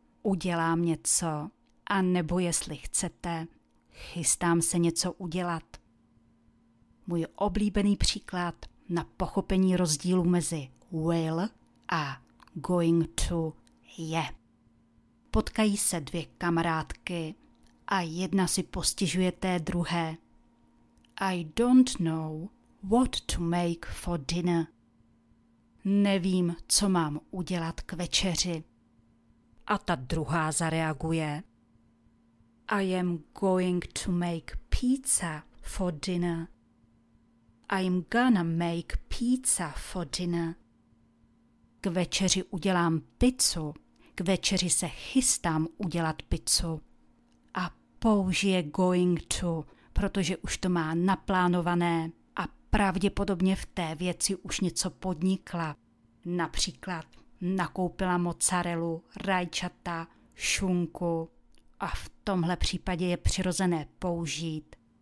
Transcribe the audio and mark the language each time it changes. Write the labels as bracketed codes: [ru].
[cs] Udělám něco, a nebo jestli chcete, chystám se něco udělat. Můj oblíbený příklad na pochopení rozdílu mezi will a going to je. Potkají se dvě kamarádky a jedna si postižuje té druhé. [en] I don't know what to make for dinner. [cs] Nevím, co mám udělat k večeři. A ta druhá zareaguje. [en] I am going to make pizza for dinner. I'm gonna make pizza for dinner. [cs] K večeři udělám pizzu. K večeři se chystám udělat pizzu. A použije going to, protože už to má naplánované a pravděpodobně v té věci už něco podnikla. Například nakoupila mozzarelu, rajčata, šunku a v tomhle případě je přirozené použít.